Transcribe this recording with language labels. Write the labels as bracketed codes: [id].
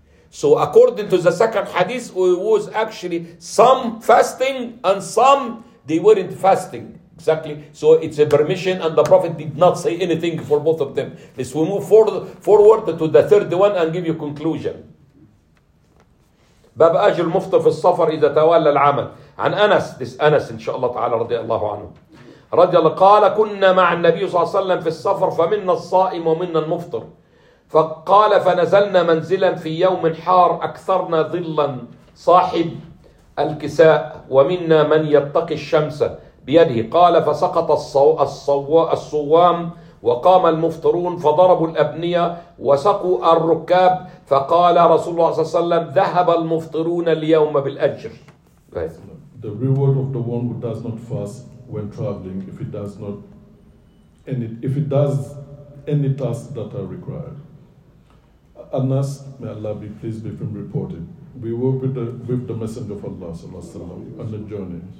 [en] So according to the second hadith, it was actually some fasting and some they weren't fasting. Exactly. So it's a permission, and the Prophet did not say anything for both of them. Let's we move forward to the third one and give you a conclusion. [ar] باب أجر المفطر في السفر إذا تولى العمل. عن أنس. [en] This Anas, inshallah ta'ala, [ar] رضي الله عنه. رضي الله قال كنا مع النبي صلى الله عليه وسلم في السفر فمنا الصائم ومنا المفطر. فقال فنزلنا منزلا في يوم حار أكثرنا ظلا صاحب الكساء ومنا من يتقي الشمس بيده. قال فسقط الصوام وقام المفطرون فضربوا الأبنية وسقوا الركاب. فقال رسول الله صلى الله عليه وسلم ذهب المفطرون اليوم بالأجر. [en] The reward of the one who does not fast when traveling, if it does any task that are required. Anas, may Allah be pleased with him, reported, we were with the Messenger of Allah [ar] صلى الله عليه وسلم [en] on the journey.